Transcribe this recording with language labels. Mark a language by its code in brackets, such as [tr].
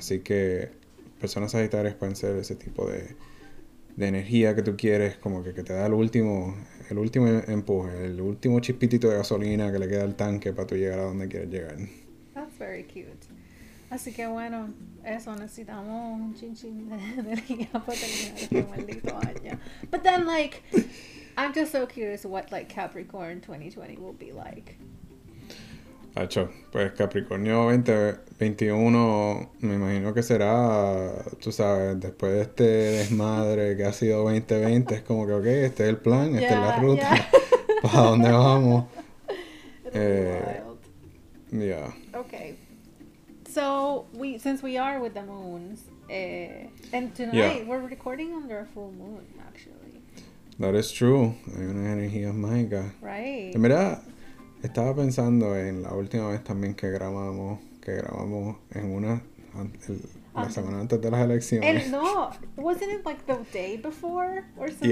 [es] Así que personas sagitarias pueden ser ese tipo de energía que tú quieres, como que te da el último empuje, el último chispitito de gasolina que le queda al tanque para tú llegar a donde quieres llegar. [en] That's very cute. [es] Así que bueno, eso, necesitamos un chinchín de energía para terminar este maldito año. [en] But then, like, I'm just so curious what, like, Capricorn 2020 will be like. [es] Acho, pues Capricornio 2021 me imagino que será, tú sabes, después de este desmadre que ha sido 2020, es como que, ok, este es el plan, esta es la ruta, ¿para dónde vamos? [en] Wild. Yeah. Okay. So, since we are with the moons, and tonight, yeah, we're recording under a full moon, actually. That is true. [es] Hay una energía mágica. [en] Right. [es] En verdad, estaba pensando en la última vez también que grabamos en una, la semana antes de las elecciones. [en] And no, wasn't it like the day before or something,